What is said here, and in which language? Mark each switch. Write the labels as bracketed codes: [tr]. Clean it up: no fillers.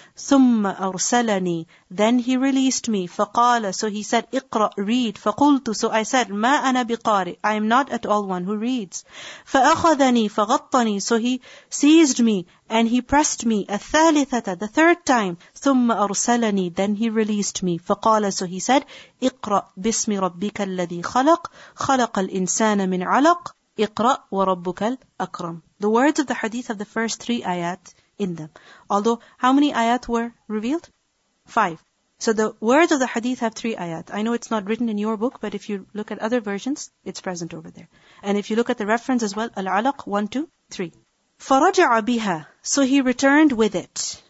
[ar] ثُمَّ أَرْسَلَنِي, [en] then he released me. فَقَالَ, so he said, اِقْرَأْ, read. فَقُلْتُ, so I said, [ar] مَا أَنَا بِقَارِئِ, [en] I am not at all one who reads. [ar] فَأَخَذَنِي, فَغَطَّنِي, [en] so he seized me, and he pressed me. الثَّالِثَةَ, the third time. [ar] ثُمَّ أَرْسَلَنِي, [en] then he released me. [ar] فَقَالَ, [en] so he said, [ar] اِقْرَأْ بِاسْمِ رَبِّكَ الَّذِي خَلَقْ, خَلَقَ الْإِنسَانَ مِنْ عَلَقٍ, اقرأ وربك الأكرم. [en] The words of the hadith of the first three ayat in them. Although, how many ayat were revealed? Five. So the words of the hadith have three ayat. I know it's not written in your book, but if you look at other versions, it's present over there. And if you look at the reference as well, Al-Alaq 1, 2, 3. [ar] فَرَجَعَ بِهَا, [en] so he returned with it.